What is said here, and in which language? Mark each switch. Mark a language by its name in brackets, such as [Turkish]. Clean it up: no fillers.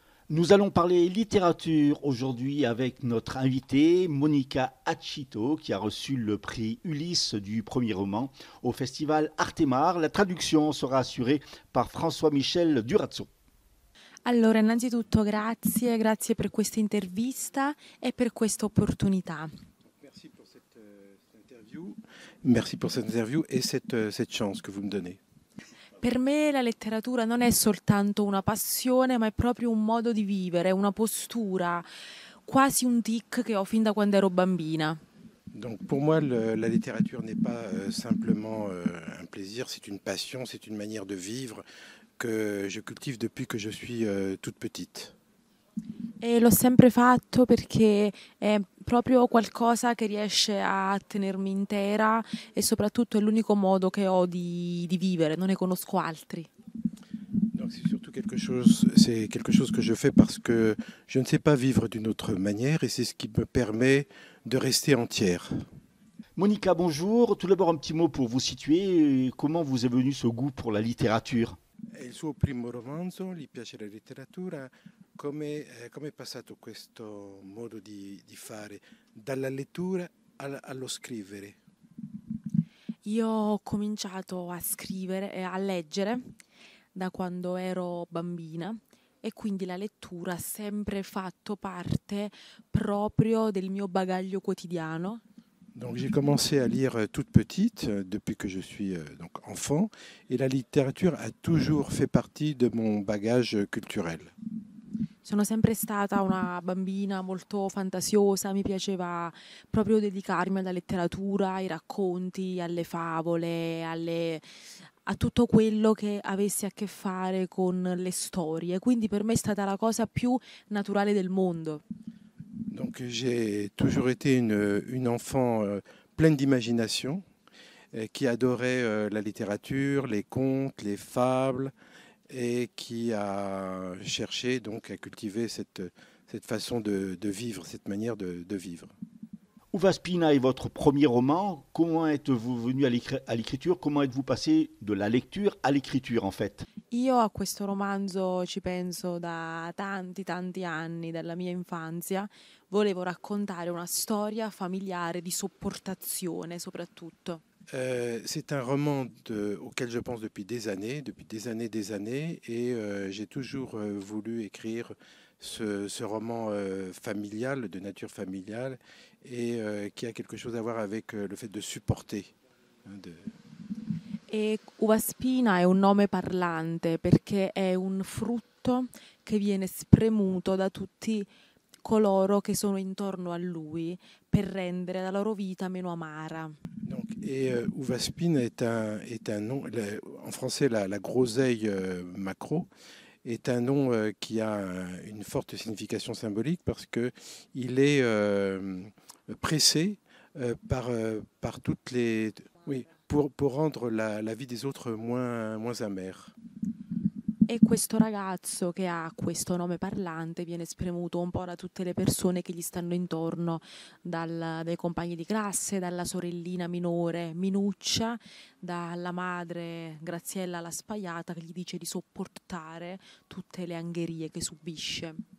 [French] Nous allons parler littérature aujourd'hui avec notre invitée Monica Accito, qui a reçu le prix Ulysse du premier roman au festival Artemare. La traduction sera assurée par François-Michel Durazzo. [Italian] Allora, innanzitutto grazie per questa intervista e per questa opportunità. [French] Merci pour cette interview. Merci pour cette interview et cette chance que vous me donnez. [Italian] Per me la letteratura non è soltanto una passione, ma è proprio un modo di vivere, una postura, quasi un tic che ho fin da quando ero bambina. [French] Donc pour moi, la littérature n'est pas simplement un plaisir, c'est une passion, c'est une manière de vivre que je cultive depuis que je suis toute petite. [Italian] E l'ho sempre fatto perché è proprio qualcosa che riesce a tenermi intera e soprattutto è l'unico modo che ho di vivere, non ne conosco altri. [French] Donc c'est surtout quelque chose que je fais parce que je ne sais pas vivre d'une autre manière et c'est ce qui me permet de rester entière. Monica, bonjour. Tout d'abord, un petit mot pour vous situer. Comment vous est venu ce goût pour la littérature? [Italian] Il suo primo romanzo, gli piace la letteratura. Come è passato questo modo di fare dalla lettura allo scrivere? Io ho cominciato a scrivere e a leggere da quando ero bambina e quindi la lettura ha sempre fatto parte proprio del mio bagaglio quotidiano. [French] Donc j'ai commencé à lire toute petite depuis que je suis donc enfant et la littérature a toujours fait partie de mon bagage culturel. [Italian] Sono sempre stata una bambina molto fantasiosa, mi piaceva proprio dedicarmi alla letteratura, ai racconti, alle favole, a tutto quello che avesse a che fare con le storie. Quindi per me è stata la cosa più naturale del mondo. [French] Donc j'ai toujours été une enfant pleine d'imagination, qui adorait la littérature, les contes, les fables, et qui a cherché donc à cultiver cette façon de vivre, cette manière de vivre. Uva Spina est votre premier roman. Comment êtes-vous venu à l'écriture? Comment êtes-vous passé de la lecture à l'écriture, en fait? [Italian] Io a questo romanzo ci penso da tanti, tanti anni, dalla mia infanzia. Volevo raccontare una storia familiare di sopportazione, soprattutto. [French] C'est un roman auquel je pense depuis des années, et j'ai toujours voulu écrire ce roman familial, de nature familiale, et qui a quelque chose à voir avec le fait de supporter. [Italian] E Uva Spina è un nome parlante perché è un frutto che viene spremuto da tutti coloro che sono intorno a lui per rendere la loro vita meno amara. [French] Donc, et Uva Spina est un nom, en français la groseille macro, est un nom qui a une forte signification symbolique parce qu'il est pressé par toutes les... Oui, pour rendre la vie des autres moins amère. [Italian] E questo ragazzo che ha questo nome parlante viene spremuto un po' da tutte le persone che gli stanno intorno, dai compagni di classe, dalla sorellina minore Minuccia, dalla madre Graziella la Spaiata che gli dice di sopportare tutte le angherie che subisce.